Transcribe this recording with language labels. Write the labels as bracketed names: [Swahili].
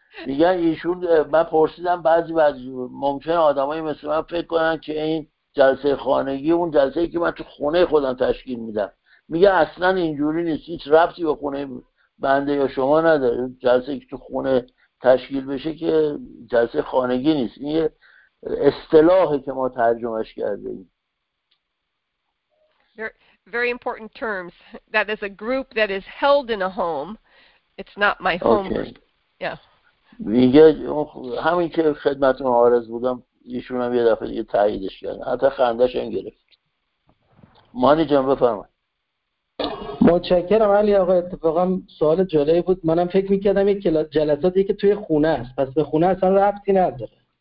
[Persian] میگن ایشون من پرسیدم بعضی وقت ممکنه آدمای مثل من فکر کنن که این جلسه خانگی اون جلسه‌ای که من تو خونه خودم تشکیل میدم. میگه اصلا اینجوری نیست هیچ ربطی به خونه بنده یا شما نداره جلسه که تو خونه تشکیل بشه که جلسه خانگی نیست این یه اصطلاحی که ما ترجمهش کرده ایم. [English] Very important terms. That is a group that is held in a home. It's not my home. [Persian] میگه همین که خدمتون عارض بودم ایشون هم یه دفعه دیگه تاییدش کردن حتی خندش این گرفت. مانی جان بفرمایید. متشکرم علی آقا اتفاقا سوال جالبی بود منم فکر میکردم این جلساتی که توی خونه است پس به خونه اصلا ربطی نداره